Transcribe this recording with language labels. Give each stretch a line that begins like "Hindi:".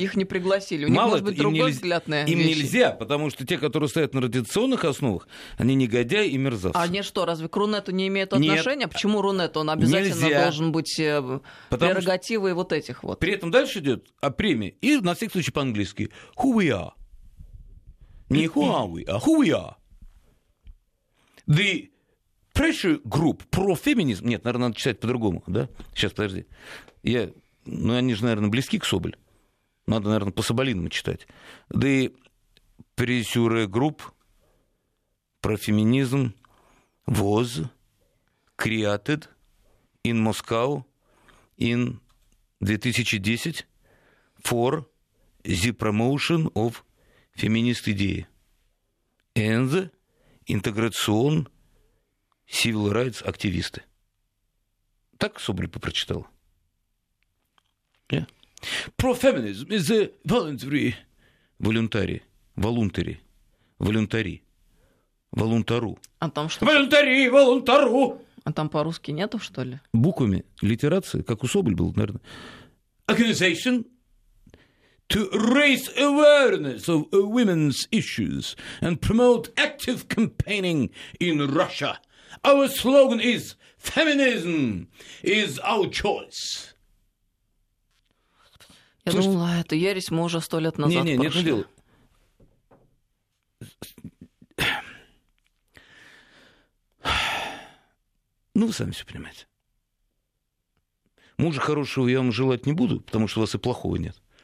Russian: Их не пригласили. У них, мало может быть, другой нельзя, взгляд на вещи. Им нельзя, потому что те, которые стоят на радиационных основах, они негодяи и мерзавцы. А они что, разве к Рунету не имеют отношения? Нет. Почему Рунет? Он обязательно нельзя. Должен быть прерогативой что... вот этих вот. При этом дальше идет о премии. И на всякий случай по-английски.
English: Who we are.
Russian: Не
English: who are we,
Russian: а
English: who we are. The pressure group
Russian: про феминизм. Нет, наверное, надо читать по-другому. Да? Сейчас, подожди. Я... Ну, они же, наверное, близки к Соболь. Надо, наверное, по соболинам читать. Да и прессюре групп про феминизм воз
English: created in Moscow in 2010 for the promotion of feminist idea and integration civil rights
Russian: активисты. Так Соболь попрочитал.
English: Pro-feminism is a voluntary.
Russian: Волюнтари. Волюнтари. Волюнтари. Волюнтару. А там что? Волюнтари, волюнтару! А там по-русски нету, что ли? Буквами. Литерация, как у Соболь был, наверное.
English: Organization to raise awareness of women's issues and promote active campaigning in Russia. Our slogan is feminism is our choice.
Russian: Я думала, это ересь, мы уже 100 лет назад прошли. Не-не, нет, не дело. Ну, вы сами все понимаете. Мужа хорошего я вам желать не буду, потому что у вас и плохого нет.